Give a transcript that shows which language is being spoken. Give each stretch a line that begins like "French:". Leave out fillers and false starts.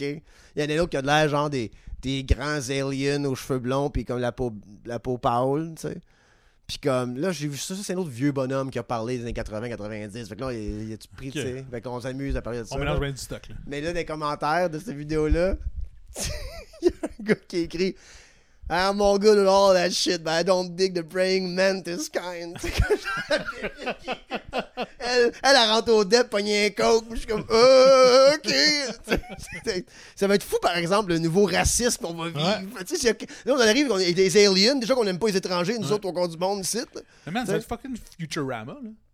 French: Il y en a une autre qui a l'air, genre, des grands aliens aux cheveux blonds. Puis comme la peau pâle, tu sais. Puis comme, là, j'ai vu ça. Ça, c'est un autre vieux bonhomme qui a parlé des années 80-90. Fait que là, il a-tu pris, okay, tu sais. Fait qu'on s'amuse à parler de on ça. On mélange bien du stock, là. Mais là, dans les commentaires de cette vidéo-là, il y a un gars qui écrit. Ah, mon gars,
English: look at all that shit, but I don't dig the praying mantis kind.
French: elle a rentré au dep, pogné un coke, puis je suis comme, OK. Ça va être fou, par exemple, le nouveau racisme qu'on va vivre. Ouais. Là, on arrive, on est des aliens, déjà qu'on n'aime pas les étrangers, nous autres, au coin du monde, ici. Mais man, ça va être fucking Futurama, là.